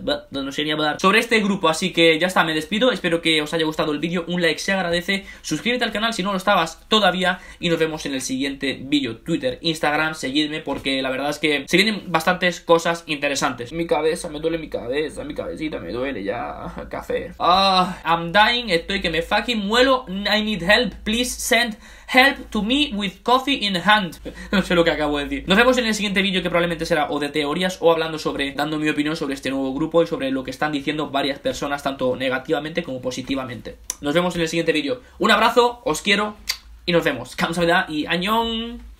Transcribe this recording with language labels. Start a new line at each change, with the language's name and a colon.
Spanish: no sé ni hablar sobre este grupo, así que ya está, me despido, espero que os haya gustado el vídeo, un like se agradece, suscríbete al canal si no lo estabas todavía y nos vemos en el siguiente vídeo. Twitter, Instagram, seguidme porque la verdad es que se vienen bastantes cosas interesantes. Mi cabeza, me duele mi cabeza, mi cabecita me duele ya, café.
English: I'm dying,
Spanish: estoy que me fucking muelo,
English: I need help, please send help to me with coffee in hand.
Spanish: No sé lo que acabo de decir. Nos vemos en el siguiente vídeo, que probablemente será o de teorías o hablando sobre, dando mi opinión sobre este nuevo grupo y sobre lo que están diciendo varias personas, tanto negativamente como positivamente. Nos vemos en el siguiente vídeo. Un abrazo, os quiero y nos vemos.
Korean: 감사합니다
Spanish: y
Korean: 안녕.